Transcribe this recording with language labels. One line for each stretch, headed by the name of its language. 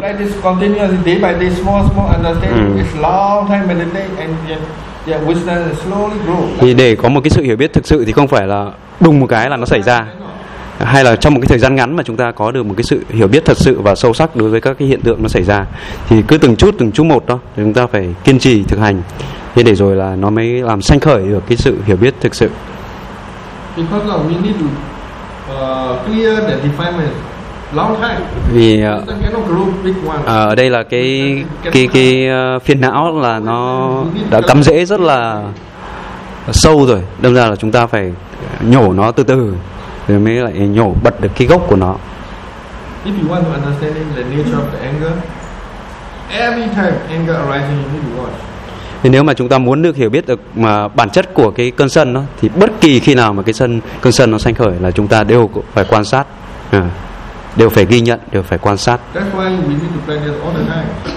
English: day by day, small understanding, it's long time meditate, and wisdom slowly grow.
Vietnamese: Thì để có một cái sự hiểu biết thực sự thì không phải là đùng một cái là nó xảy ra, hay là trong một cái thời gian ngắn mà chúng ta có được một cái sự hiểu biết thật sự và sâu sắc đối với các cái hiện tượng nó xảy ra, thì cứ từng chút một đó, chúng ta phải kiên trì thực hành, thế để rồi là nó mới làm sanh khởi được cái sự hiểu biết thực sự.
English: Because we need to clear the defilement.
Vietnamese: Vì ở đây là cái phiền não là nó đã cắm rễ rất là sâu rồi, đâm ra là chúng ta phải nhổ nó từ từ rồi mới lại nhổ bật được cái gốc của nó.
English: If you want to understand the nature of the anger, every time anger arising, you need to watch.
Vietnamese: Thì nếu mà chúng ta muốn được hiểu biết được mà bản chất của cái cơn sân đó, thì bất kỳ khi nào mà cơn sân nó sanh khởi là chúng ta đều phải quan sát. Đều phải ghi nhận, đều phải quan sát.
English: That's why we need to play this all the time.